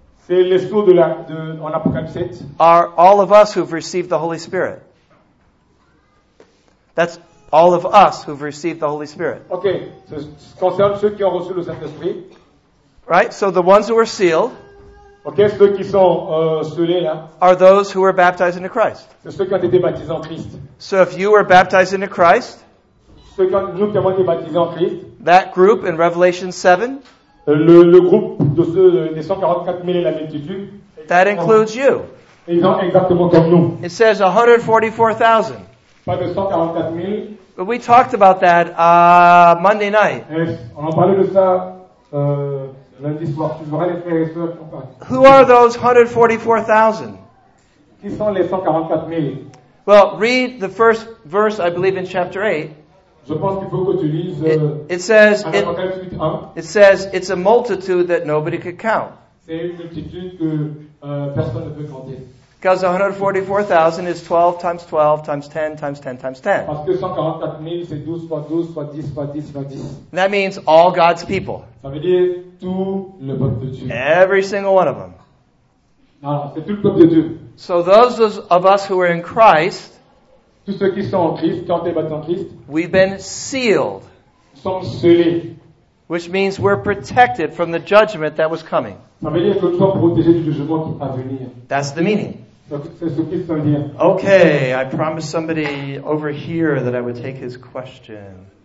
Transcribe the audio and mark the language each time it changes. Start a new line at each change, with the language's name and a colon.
English: Are all of us who've received the Holy Spirit. That's all of us who've received the Holy Spirit. Okay, so it concerns
French: ceux qui ont reçu le Saint-Esprit.
English: Right, so the ones who are sealed
French: okay, ceux qui sont, scellés, là,
English: are those who were baptized into Christ.
French: C'est ceux qui ont été baptisés en Christ.
English: So if you were baptized into Christ,
French: ceux qui ont, nous, qui avons été baptisés en Christ
English: that group in Revelation 7
French: Le groupe de ceux des 144 000 et la multitude.
English: That includes you.
French: Ils ont exactement comme nous.
English: It says 144,000.
French: Pas de 144 000.
English: But we talked about that Monday night.
French: Yes, on a parlé de ça lundi soir. Tu verras les frères et sœurs.
English: Who are those 144,000?
French: Qui sont les 144 000?
English: Well, read the first verse, I believe, in chapter 8.
French: Je pense qu'il faut que tu lises
English: it says it's a multitude that nobody could count.
French: C'est une multitude que personne ne peut compter.
English: Because 144,000 is 12 times 12 times 10 times 10 times 10.
French: Parce que 144,000 c'est 12 fois 12 fois 10 fois 10 fois 10.
English: That means all God's people.
French: Ça veut dire tout le peuple de Dieu.
English: Every single one of them.
French: Alors, c'est tout le peuple de Dieu.
English: So those of us who are in Christ,
French: tous ceux qui sont en Christ, qui ont été baptisés en Christ,
English: we've been sealed.
French: Nous sommes scellés.
English: Which means we're protected from the judgment that was coming.
French: Ça veut dire que tu es protégé du jugement qui va venir.
English: That's the meaning.
French: C'est ce que ça veut dire.
English: Okay, I promised somebody over here that I would take his question.